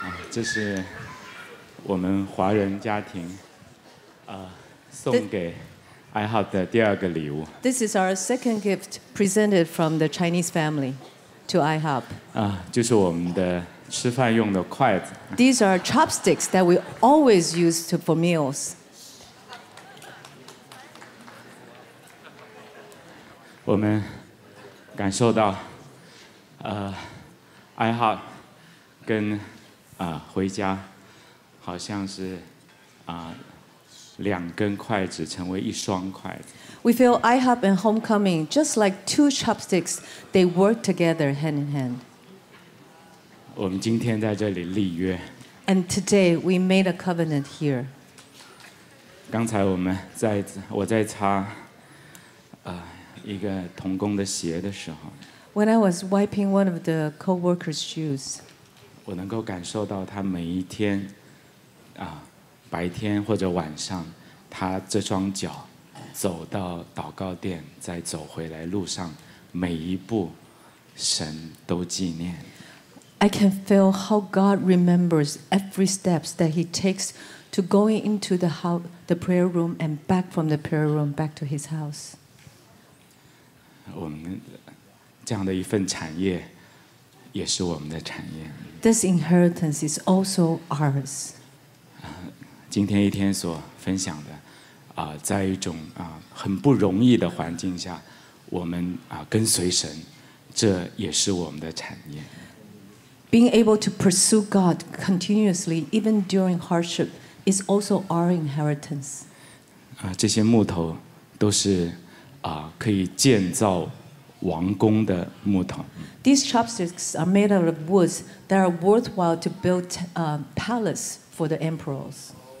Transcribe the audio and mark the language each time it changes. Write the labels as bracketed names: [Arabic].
[Chinese] 这是我们华人家庭送给 iHub 的第二个礼物。 [English] This is our second gift presented from the Chinese family. To IHOP. [Chinese] 就是我们的吃饭用的筷子。 [English] These are chopsticks that we always use for meals. [Chinese] 我们感受到，IHOP 跟回家好像是两根筷子成为一双筷子。 [English] We feel IHOP and Homecoming just like two chopsticks. They work together hand in hand. [Chinese] 我们今天在这里立约。 [English] And today we made a covenant here. [Chinese] 刚才我在擦一个同工的鞋的时候。 [English] When I was wiping one of the co-workers' shoes. [Chinese] 我能够感受到他每一天白天或者晚上，他这双脚。走到祷告殿，再走回来路上，每一步，神都纪念。 [English] I can feel how God remembers every steps that He takes to going into the prayer room and back from the prayer room back to His house. [Chinese] 我们这样的一份产业，也是我们的产业。 [English] This inheritance is also ours. [Chinese] 今天一天所分享的。在一种很不容易的环境下，我们跟随神，这也是我们的产业。 [English] Being able to pursue God continuously, even during hardship, is also our inheritance. [Chinese] 这些木头都是可以建造王宫的木头。 [English] These chopsticks are made out of woods that are worthwhile to build a palace for the emperors.